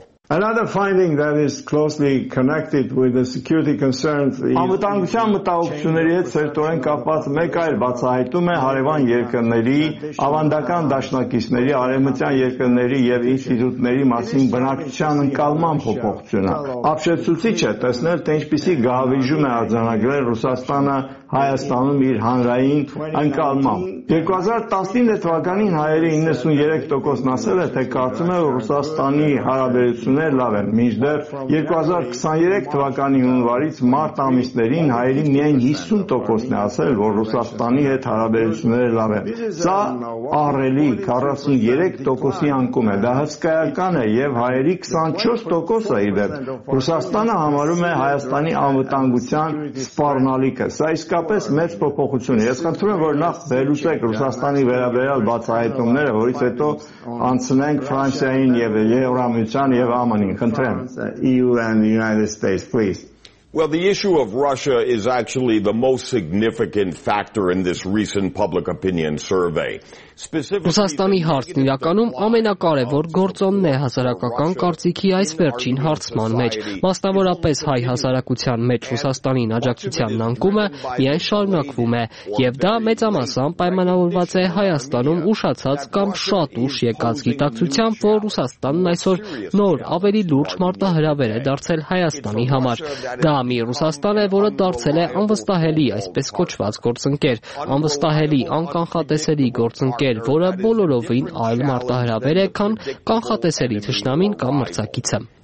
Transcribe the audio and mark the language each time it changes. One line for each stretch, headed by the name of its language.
English: Another finding that is closely connected with the security concerns is
Armenian: Անվտանգության մտահոգությունների հետ ծերտորեն կապված մեկ այլ բացահայտում է հարևան երկրների ավանդական դաշնակիցների արևմտյան երկրների եւ ինստիտուտների մասին բնակչության ընկալման փոփոխությունը։ Ապշեցուցիչ է տեսնել, թե ինչպեսի գահավիժում է արձանագրել Ռուսաստանը Հայաստանում իր հանրային ընկալման։ 2019 թվականին հայերի 93%-ն ասել է, թե կարծում է, որ Ռուսաստանի հարաբերությունները լավ են։ Մինչդեռ 2023 թվականի հունվարից մարտ ամիսներին հայերի միայն 50%-ն է ասել, որ Ռուսաստանի հետ հարաբերությունները լավ են։ Սա առելի 43%-ի անկում է, դա հսկայական է, եւ հայերի 24%-ը ի դեպ Ռուսաստանը համարում է Հայաստանի անվտանգության սպառնալիքը։ Սա իսկապես մեծ փոփոխություն է։ Ես խնդրում եմ, որ նախ վերլուծեք Ռուսաստանի վերաբերյալ բացահայտումները, որից հետո անցնենք Ֆրանսիային եւ Եվրամիության եւ ԱՄՆ-ին, խնդրեմ։
English: EU and the United States, please. Well, the issue of Russia is actually the most significant factor in this recent public opinion survey.
Armenian: Ռուսաստանի հարցն իրականում ամենակարևոր գործոնն է հասարակական կարծիքի այս վերջին հարցման մեջ։ Մասնավորապես հայ հասարակության մեջ Ռուսաստանին աջակցության անկումը միայն շարունակվում է, եւ դա մեծամասամբ պայմանավորված է Հայաստանում ուշացած կամ շատ ուշ եկած գիտակցությամբ, որ Ռուսաստանն այսօր նոր ավելի լուրջ մարտահրավեր է դարձել Հայաստանի համար։ Դա մի Ռուսաստան է, որը դարձել է անվստահելի, այսպես կոչված գործընկեր, անվստահելի, անկանխատեսելի գործընկեր, ինչեր, որը բոլորովին այլ մարտահրավեր է, քան կանխատեսելի ճշնամին կամ մրցակիցը։